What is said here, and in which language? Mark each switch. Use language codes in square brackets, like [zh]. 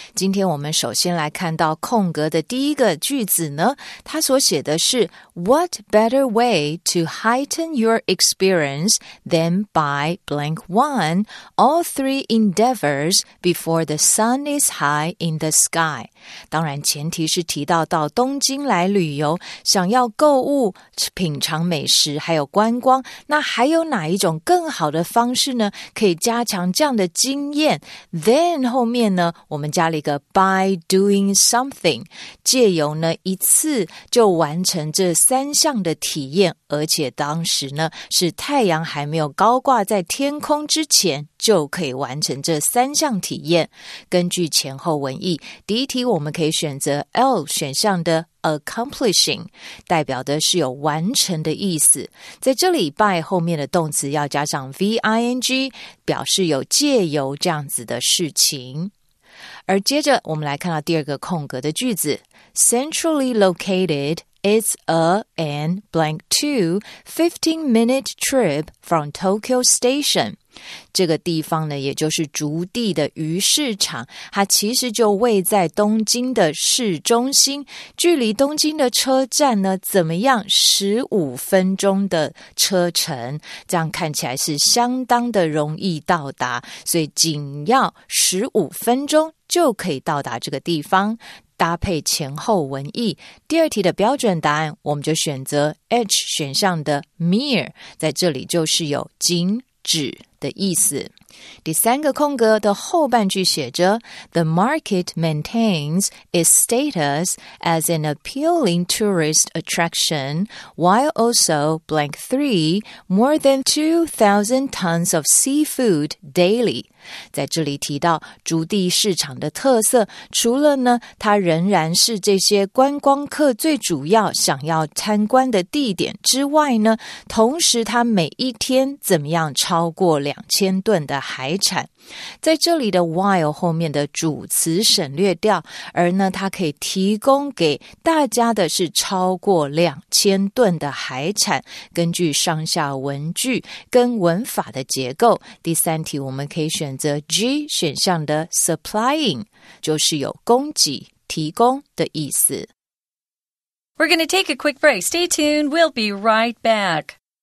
[zh] 今天我们首先来看到空格的第一个句子呢，它所写的是 [en] What better way to heighten your experience than by blank one, all three endeavors before the sun is high in the sky? [zh] 当然前提是提到到东京来旅游，想要购物、品尝美食还有观光，那还有哪一种更好的方式呢，可以加强这样的经验？ Then 后面呢，我们加了一个 [en] by doing something， [zh] 借由呢一次就完成这三项的体验，而且当时呢是太阳还没有高挂在天空之前就可以完成这三项体验。根据前后文意，第一题我们可以选择 L 选项的Accomplishing， 代表的是有完成的意思。在这里 by 后面的动词要加上 ving， 表示有借由这样子的事情。而接着我们来看到第二个空格的句子， [en] Centrally locatedIt's a an blank two 15-minute trip from Tokyo Station. [zh] 这个地方呢，也就是竹地的鱼市场，它其实就位在东京的市中心，距离东京的车站呢，怎么样？ 15分钟的车程，这样看起来是相当的容易到达，所以仅要15分钟就可以到达这个地方。搭配前后文意，第二题的标准答案我们就选择 H 选项的 mere， 在这里就是有仅止的意思。第三个空格的后半句写着 [en] The market maintains its status as an appealing tourist attraction while also blank three more than 2,000 tons of seafood daily。 [zh] 在这里提到竹地市场的特色，除了呢它仍然是这些观光客最主要想要参观的地点之外呢，同时它每一天怎么样超过2000吨的海产。在这里的 while 后面的主词省略掉，而呢它可以提供给大家的是超过2000吨的海产。根据上下文句跟文法的结构，第三题我们可以选择 G 选项的 supplying， 就是有供给提供的意思。 [en] We're going to take a quick break. Stay tuned. We'll be right back.